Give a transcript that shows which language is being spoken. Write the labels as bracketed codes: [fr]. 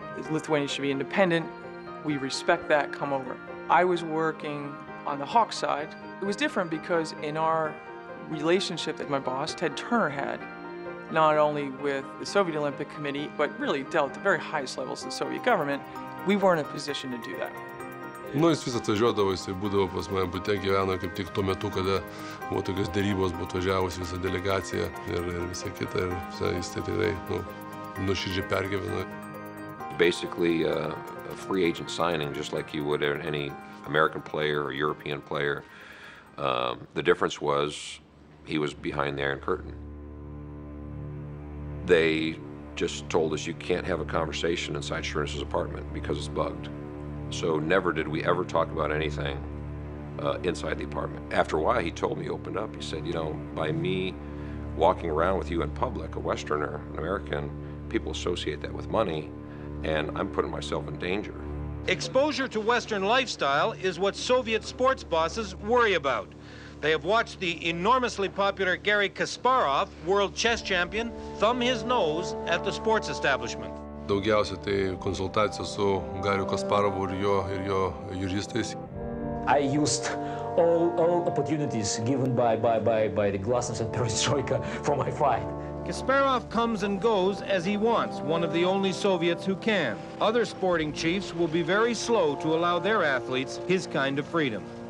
[en] Lithuania should be independent. We respect that, come over. I was working on the Hawks side. It was different because in our relationship that my boss, Ted Turner, had, not only with the Soviet Olympic Committee, but really dealt at the very highest levels of the Soviet government, we weren't in a position to do that. [lt] Nu, jis vis atvažiuodavo, jis būdavo pas mane, būtė gyveno kaip tik tuo metu, kada buvo tokios derybos, buvo atvažiavusi visa delegacija ir visa kita, ir jis tai tikrai nuširdžiai pergyveno. [en] Basically, a free agent signing, just like you would any American player or European player. The difference was, he was behind the Iron Curtain. They just told us, you can't have a conversation inside Šarūnas' apartment because it's bugged. So never did we ever talk about anything inside the apartment. After a while, he told me, he opened up, he said, you know, by me walking around with you in public, a Westerner, an American, people associate that with money, and I'm putting myself in danger. Exposure to Western lifestyle is what Soviet sports bosses worry about. They have watched the enormously popular Garry Kasparov, world chess champion, thumb his nose at the sports establishment. [lt] Daugiausia tai konsultacijos su Gariu Kasparovu ir jo juristais. [en] I used all opportunities given by the glasnost and perestroika for my fight. Kasparov comes and goes as he wants, one of the only Soviets who can. Other sporting chiefs will be very slow to allow their athletes his kind of freedom.